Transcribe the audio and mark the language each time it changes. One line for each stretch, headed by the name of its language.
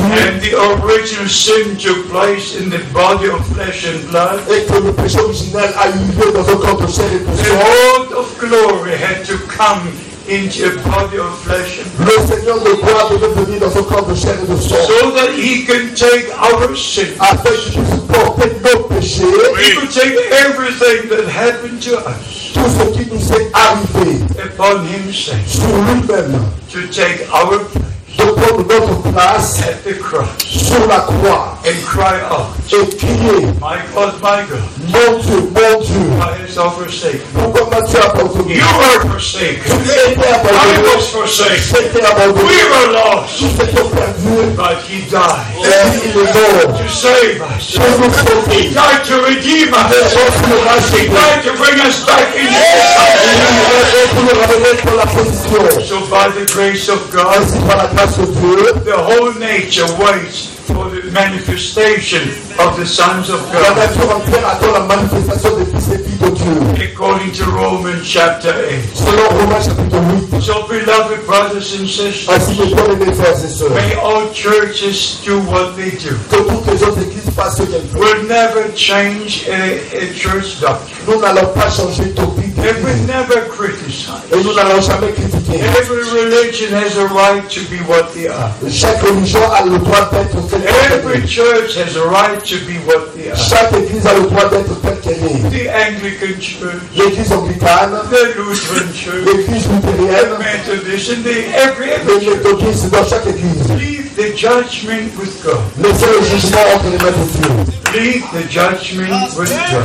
English: and the original sin took place in the body of flesh and blood,
French: et que le péché originel a eu lieu dans un corps de chair et de sang,
English: the Lord of glory had to come into a body of flesh and blood.
French: Le Seigneur de gloire devait venir dans un corps de chair et de sang,
English: so that He can take our sin,
French: afin qu'il puisse porter nos péchés,
English: He could take everything that happened to us.
French: Tout ce qui nous est arrivé
English: upon himself,
French: sur lui-même,
English: to take our
French: prendre notre place
English: at the cross,
French: sur la croix,
English: and cry out,
French: et crier,
English: my God, my God,
French: mon Dieu, mon Dieu, pourquoi m'as-tu abandonné?
English: You were forsaken.
French: Tu étais abandonné.
English: I was forsaken.
French: J'étais abandonné.
English: We were lost.
French: J'étais perdu.
English: But he died.
French: Et il est mort.
English: To save us.
French: Pour nous sauver.
English: He died to redeem us.
French: Et pour nous racheter.
English: He died to bring us back in the family.
French: Et pour nous ramener dans la position.
English: So by the grace of God,
French: ainsi par la grâce de Dieu,
English: the whole nature waits for the manifestation of the sons of God.
French: La nature entière attend la manifestation des fils et filles de Dieu.
English: According to Romans chapter 8.
French: Selon Romains chapitre 8.
English: So beloved brothers and sisters,
French: ainsi mes frères et mes sœurs,
English: may all churches do what they do.
French: Que toutes les autres églises fassent ce qu'elles font.
English: We'll never change a church doctrine.
French: Nous n'allons pas changer doctrine.
English: And we never criticize.
French: Et nous n'allons jamais critiquer.
English: Every religion has a right to be what they are.
French: Chaque religion a le droit d'être.
English: Every church has a right to be what they are.
French: Chaque église a le droit d'être telle qu'elle est.
English: The Anglican Church.
French: L'église anglicane.
English: The Lutheran Church.
French: L'église luthérienne.
English: The Methodist. Every
French: église, dans chaque église.
English: Leave the judgment with God.
French: Laissez le jugement entre les mains de Dieu.
English: Leave the judgment with God.